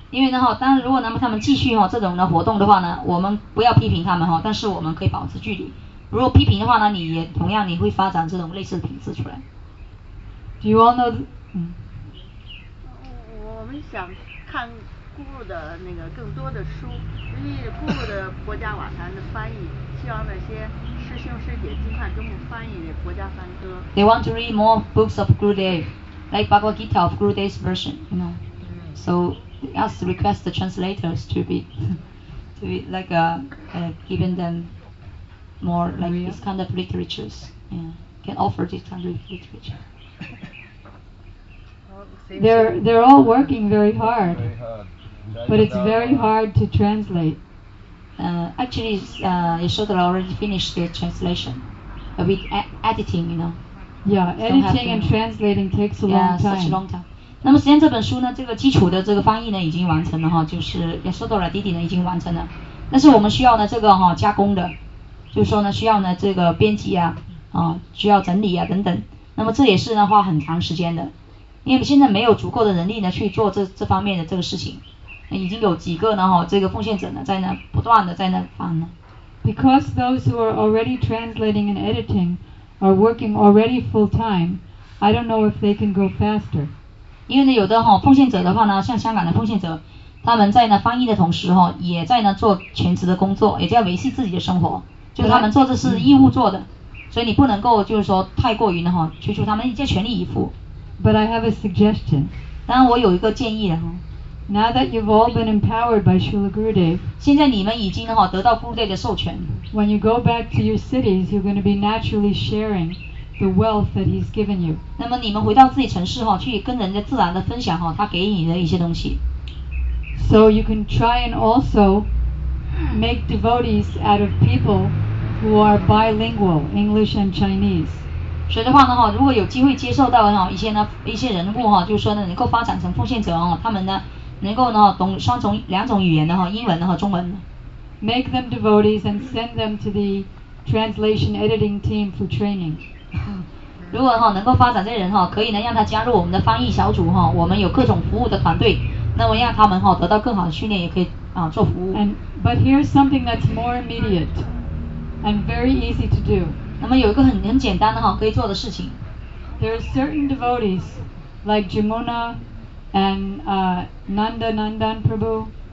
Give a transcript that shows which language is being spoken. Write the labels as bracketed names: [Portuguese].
[Chinese] 因为呢哈，当然如果那么他们继续哈这种的活动的话呢，我们不要批评他们哈，但是我们可以保持距离。如果批评的话呢，你也同样你会发展这种类似的品质出来。 [English] Do you all know? [Chinese] 我们想看 Guru 的那个更多的书，因为 Guru 的国家瓦坛的翻译，希望那些师兄师姐尽快给我们翻译国家梵歌。 [English] They want to read more books of Guru Dev, like Bhagavad Gita of Guru Dev's version, you know. So they ask to request the translators to be like giving them more like this kind of literatures. Yeah, can offer this kind of literature. They're all working very hard, but it's very hard to translate. Actually, Yashoda already finished the translation, a bit editing, you know. Yeah, editing and translating takes a long time. Such a long time. [Chinese] 那么实验这本书呢，这个基础的这个翻译呢已经完成了哈，就是 Yashoda 弟弟呢已经完成了，但是我们需要呢这个哈加工的，就是说呢需要呢这个编辑啊，需要整理啊等等。那么这也是呢花很长时间的，因为现在没有足够的人力呢去做这方面的这个事情，已经有几个呢哈这个奉献者呢在那不断的在那翻呢。 [English] Because those who are already translating and editing are working already full time, I don't know if they can go faster. [Chinese] 因为呢有的哈奉献者的话呢，像香港的奉献者，他们在呢翻译的同时哈也在呢做全职的工作，也在维系自己的生活，就他们做的是义务做的。所以你不能够就是说太过于的哈，催促他们一切全力以赴。 [English] But I have a suggestion. [Chinese] 当然我有一个建议了哈。 [English] Now that you've all been empowered by Srila Gurudev, [Chinese] 现在你们已经哈得到 Gurudev 的授权。 [English] When you go back to your cities, you're going to be naturally sharing the wealth that he's given you. [Chinese] 那么你们回到自己城市哈，去跟人家自然的分享哈他给你的一些东西。 [English] So you can try and also make devotees out of people. Who are bilingual, English and Chinese. [Chinese] 所以的话呢，如果有机会接受到一些人物，就是说呢能够发展成奉献者，他们呢能够呢懂两种语言的，英文和中文。 [English] Make them devotees and send them to the translation editing team for training. [Chinese] 如果能够发展这些人，可以呢让他加入我们的翻译小组，我们有各种服务的团队，那么让他们得到更好的训练，也可以做服务。 [English] But here's something that's more immediate. And very easy to do. [Chinese] 那么有一个很简单的哈可以做的事情。 [English] There are certain devotees like Jamuna and Nanda Nandan Prabhu.